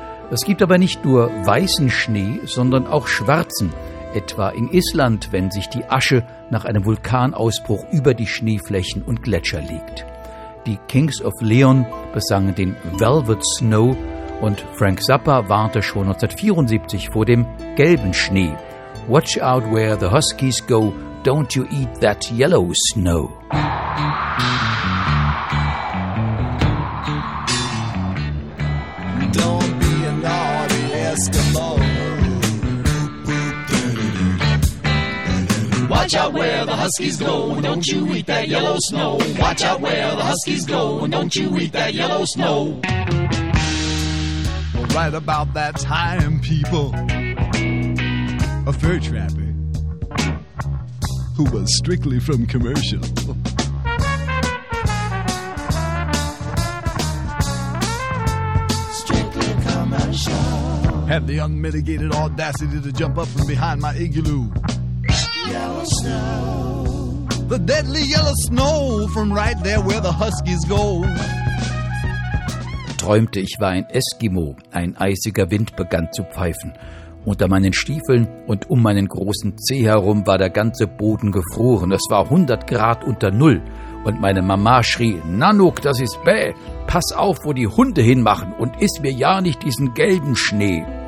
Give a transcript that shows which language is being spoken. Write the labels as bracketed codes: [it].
[de] Es gibt aber nicht nur weißen Schnee, sondern auch schwarzen. Etwa in Island, wenn sich die Asche nach einem Vulkanausbruch über die Schneeflächen und Gletscher legt. Die Kings of Leon besangen den Velvet Snow und Frank Zappa warnte schon 1974 vor dem gelben Schnee. [en] Watch out where the huskies go, don't you eat that yellow snow. Don't be a naughty Eskimo. Watch out where the huskies go, don't you eat that yellow snow. Watch out where the huskies go, don't you eat that yellow snow. Well, right about that time, people, a fur trapper who was strictly from commercial strictly commercial had the unmitigated audacity to jump up from behind my igloo. Yellow snow, the deadly yellow snow from right there where the huskies go. [de] Träumte, ich war ein Eskimo. Ein eisiger Wind begann zu pfeifen. Unter meinen Stiefeln und um meinen großen Zeh herum war der ganze Boden gefroren. Es war 100 Grad unter Null. Und meine Mama schrie: Nanook, das ist bäh. Pass auf, wo die Hunde hinmachen und iss mir ja nicht diesen gelben Schnee.